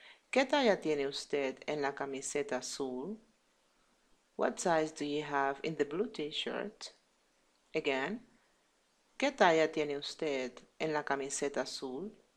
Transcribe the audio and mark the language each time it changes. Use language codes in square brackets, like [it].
[es] ¿Qué talla tiene usted en la camiseta azul? [en] What size do you have in the blue t-shirt? Again, [es] ¿qué talla tiene usted en la camiseta azul?